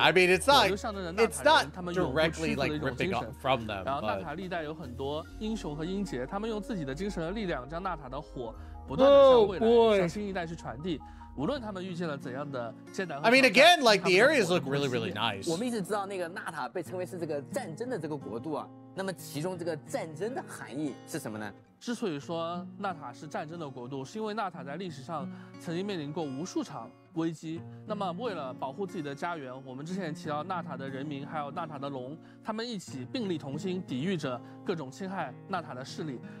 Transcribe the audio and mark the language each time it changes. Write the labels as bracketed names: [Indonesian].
[English] I mean, it's not directly like ripping off from them. [Chinese] 然后纳塔历代有很多英雄和英杰，他们用自己的精神和力量将纳塔的火不断地向未来、向新一代去传递。 [English] I mean, again, like, the areas look really, really nice. [Chinese] 我们一直知道那个纳塔被称为是这个战争的这个国度啊。那么其中这个战争的含义是什么呢？之所以说纳塔是战争的国度，是因为纳塔在历史上曾经面临过无数场危机。那么为了保护自己的家园，我们之前提到纳塔的人民还有纳塔的龙，他们一起并力同心，抵御着各种侵害纳塔的势力。